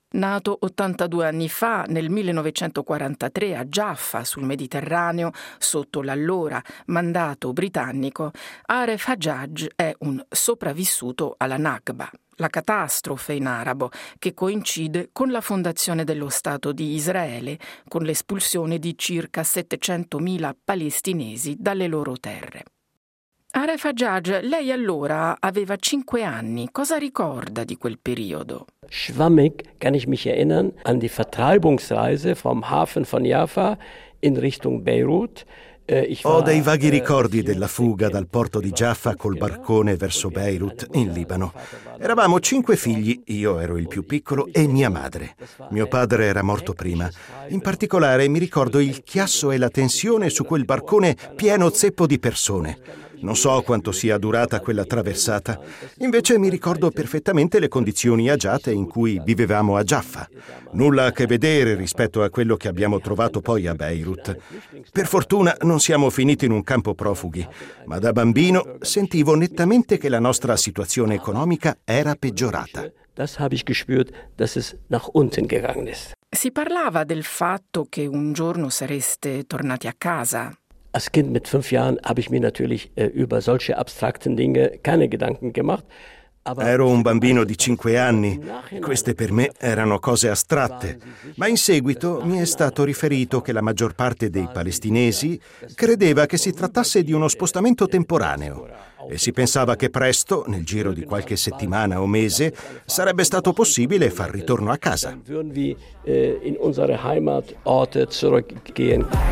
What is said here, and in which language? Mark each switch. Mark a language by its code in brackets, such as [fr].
[it] Nato 82 anni fa, nel 1943 a Jaffa, sul Mediterraneo, sotto l'allora mandato britannico, Aref Hajjaj è un sopravvissuto alla Nakba, la catastrofe in arabo, che coincide con la fondazione dello Stato di Israele, con l'espulsione di circa 700.000 palestinesi dalle loro terre. Aref Hajjaj, lei allora aveva 5 anni. Cosa ricorda di quel periodo? [de] Schwammig kann ich mich erinnern an die Vertreibungsreise vom Hafen von Jaffa in Richtung Beirut. [it] Ho dei vaghi ricordi della fuga dal porto di Jaffa col barcone verso Beirut, in Libano. Eravamo 5 figli, io ero il più piccolo, e mia madre. Mio padre era morto prima. In particolare mi ricordo il chiasso e la tensione su quel barcone pieno zeppo di persone. Non so quanto sia durata quella traversata. Invece mi ricordo perfettamente le condizioni agiate in cui vivevamo a Jaffa. Nulla a che vedere rispetto a quello che abbiamo trovato poi a Beirut. Per fortuna non siamo finiti in un campo profughi, ma da bambino sentivo nettamente che la nostra situazione economica era peggiorata. [de] Das habe ich gespürt, dass es nach unten gegangen ist. [it] Si parlava del fatto che un giorno sareste tornati a casa. [de] Als Kind mit 5 Jahren habe ich mir natürlich über solche abstrakten Dinge keine Gedanken gemacht. [it] Ero un bambino di 5 anni. Queste per me erano cose astratte. Ma in seguito mi è stato riferito che la maggior parte dei palestinesi credeva che si trattasse di uno spostamento temporaneo. E si pensava che presto, nel giro di qualche settimana o mese, sarebbe stato possibile far ritorno a casa. [de] In unsere Heimatorte zurückgehen.